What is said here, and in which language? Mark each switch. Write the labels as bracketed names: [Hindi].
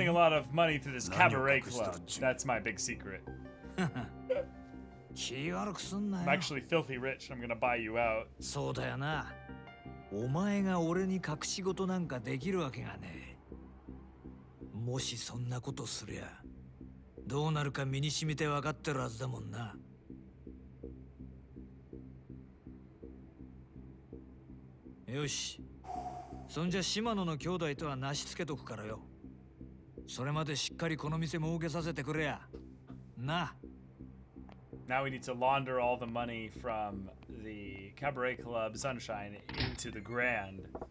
[English] building a lot of money through this cabaret club. That's my big secret. [Japanese] 気悪くすんなよ。 [English] I'm actually filthy rich and I'm gonna buy you out. [Japanese] そうだよな。お前が俺に隠し事なんかできるわけがねえ。もしそんなことすりゃ、どうなるか身に染みて分かってるはずだもんな。よし。そんじゃ島野の兄弟とはなしつけとくからよ。それまで、しっかりこの店儲けさせてくれや。な。 [English] Now we need to launder all the money from the cabaret club Sunshine into the grand.